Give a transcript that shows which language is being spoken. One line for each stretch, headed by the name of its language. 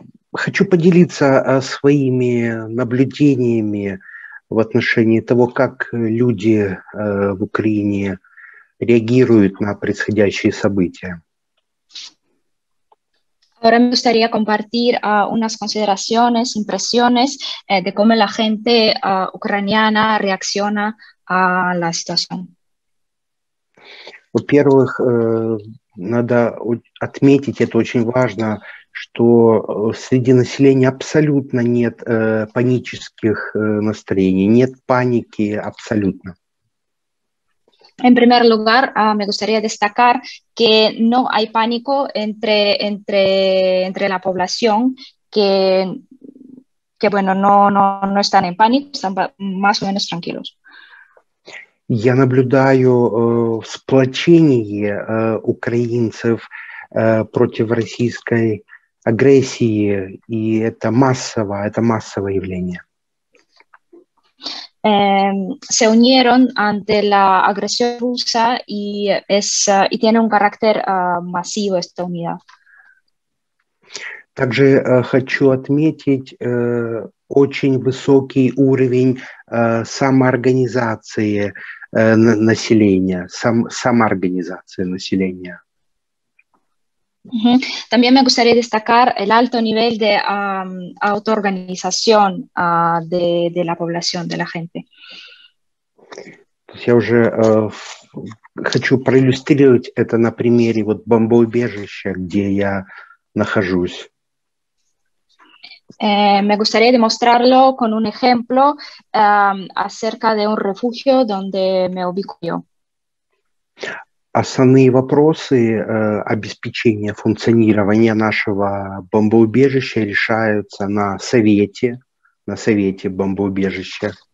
Russian: Хочу поделиться своими наблюдениями в отношении того, как люди в Украине реагируют на происходящие события.
Spanish: Ahora me gustaría compartir unas consideraciones, impresiones de cómo la gente ucraniana reacciona a la situación.
Russian: Во-первых, надо отметить, это очень важно, что среди населения абсолютно нет панических настроений, нет паники абсолютно.
Spanish: En primer lugar, me gustaría destacar que no hay pánico entre la población, que bueno, no están en pánico, están más o menos tranquilos.
Russian: Я наблюдаю сплочение украинцев против российской агрессии, и это массовое явление.
Spanish: Se unieron ante la agresión rusa y y tiene un carácter masivo esta unidad.
Russian: Также хочу отметить очень высокий уровень самоорганизации населения, самоорганизации населения.
Spanish: También me gustaría destacar el alto nivel de autoorganización de la población, de la gente.
Russian: Я уже хочу проиллюстрировать это на примере вот бомбоубежища, где я нахожусь.
Spanish: Me gustaría demostrarlo con un ejemplo acerca de un refugio donde me ubico yo.
Russian: Основные вопросы обеспечения функционирования нашего бомбоубежища решаются на совете бомбоубежища.